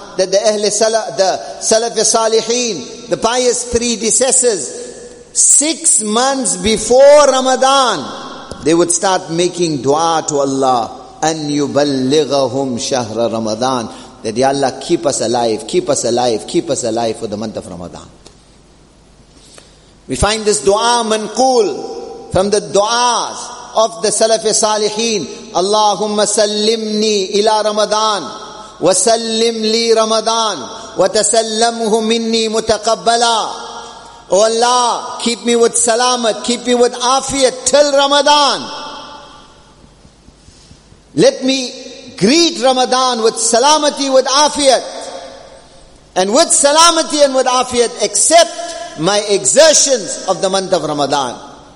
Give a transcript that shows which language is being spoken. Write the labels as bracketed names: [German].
[English] That the Ahle Salaf, the Salaf Salihin, the pious predecessors, 6 months before Ramadan, they would start making dua to Allah, [Arabic] أَنْ يُبَلِّغَهُمْ شَهْرَ رَمَضَانَ [English] that Ya Allah, keep us alive, keep us alive, keep us alive for the month of Ramadan. We find this dua manqul from the duas of the Salaf Salihin. [Arabic] اللهم سلمني إلى رمضان وسلم لي رمضان وتسلمه مني متقبلا. [English] Oh Allah, keep me with salamat, keep me with afiat till Ramadan. Let me greet Ramadan with salamati, with afiat. And with salamati and with afiat, accept my exertions of the month of Ramadan.